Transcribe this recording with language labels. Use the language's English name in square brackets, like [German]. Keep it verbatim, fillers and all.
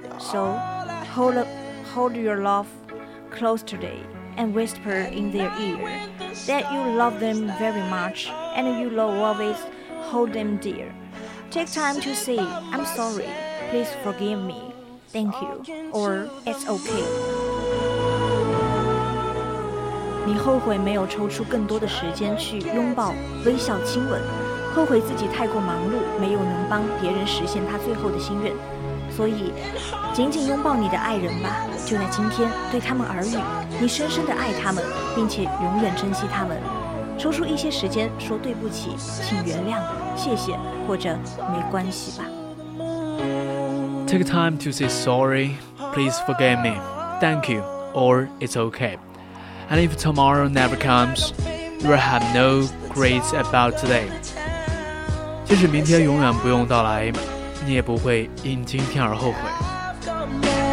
[English] So hold, up, hold your love close today and whisper in their ear that you love them very much and you will always hold them dear. Take time to say, I'm sorry, please forgive me, thank you, or it's okay. [Chinese] 你后悔没有抽出更多的时间去拥抱、微笑、亲吻，后悔自己太过忙碌，没有能帮别人实现他最后的心愿。所以紧紧拥抱你的爱人吧，就在今天，对他们耳语，你深深的爱他们，并且永远珍惜他们。抽出一些时间说对不起，请原谅，谢谢，或者没关系吧。 [English] Take time to say sorry, please forgive me, thank you, or it's okay. And if tomorrow never comes, you will have no regrets about today. [Chinese] 即使明天永远不用到来，你也不会因今天而后悔。